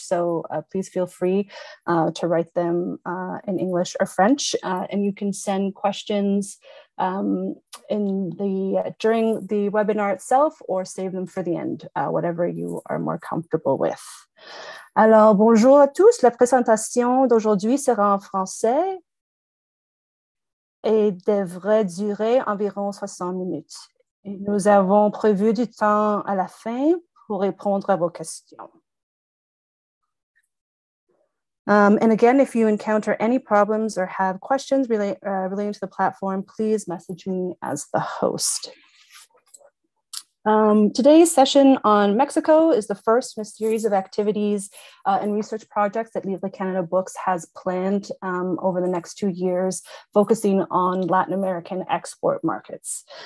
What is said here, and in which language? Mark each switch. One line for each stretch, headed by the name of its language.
English: So please feel free to write them in English or French, and you can send questions during the webinar itself or save them for the end, whatever you are more comfortable with.
French: Alors, bonjour à tous. La présentation d'aujourd'hui sera en français et devrait durer environ 60 minutes. Et nous avons prévu du temps à la fin pour répondre à vos questions.
English: And again, if you encounter any problems or have questions relating to the platform, please message me as the host. Today's session on Mexico is the first in a series of activities and research projects that Livre Canada Books has planned over the next 2 years, focusing on Latin American export markets.